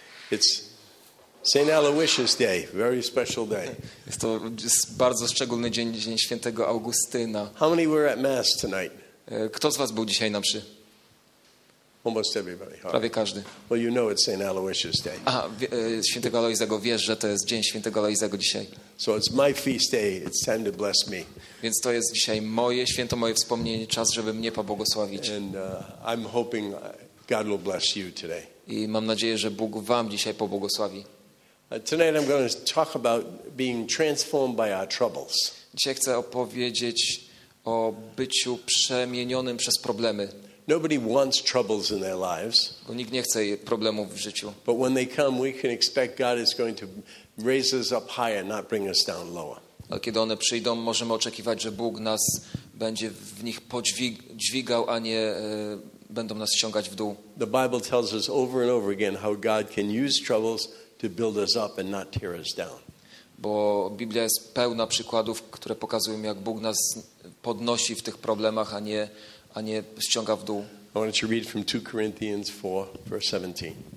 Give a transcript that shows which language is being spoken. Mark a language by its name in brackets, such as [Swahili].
[English] It's Saint Aloysius Day, very special day. [Polish] Jest to bardzo szczególny dzień, dzień świętego Augustyna. [English] How many were at mass tonight? [Polish] Kto z was był dzisiaj na mszy? [English] Almost everybody. [Polish] Prawie każdy. [English] Well, you know it's Saint Aloysius Day. [Polish] Aha, świętego Aloizego, wiesz, że to jest dzień świętego Aloizego dzisiaj. [English] So it's my feast day. It's time to bless me. [Polish] Więc to jest dzisiaj moje święto, moje wspomnienie, czas, żeby mnie pobłogosławić. [English] And I'm hoping God will bless you today. [Polish] I mam nadzieję, że Bóg wam dzisiaj pobłogosławi. [English] Tonight I'm going to talk about being transformed by our troubles. [Polish] Dzisiaj chcę opowiedzieć o byciu przemienionym przez problemy. [English] Nobody wants troubles in their lives. [Polish] Bo nikt nie chce problemów w życiu. [English] But when they come, we can expect God is going to raise us up higher, not bring us down lower. [Polish] Ale kiedy one przyjdą, możemy oczekiwać, że Bóg nas będzie w nich podźwigał, a nie będą nas ściągać w dół. [English] The Bible tells us over and over again how God can use troubles to build us up and not tear us down. [Polish] Bo Biblia jest pełna przykładów, które pokazują, jak Bóg nas podnosi w tych problemach, a nie ściąga w dół. [English] I want to read from 2 Corinthians 4, verse 17.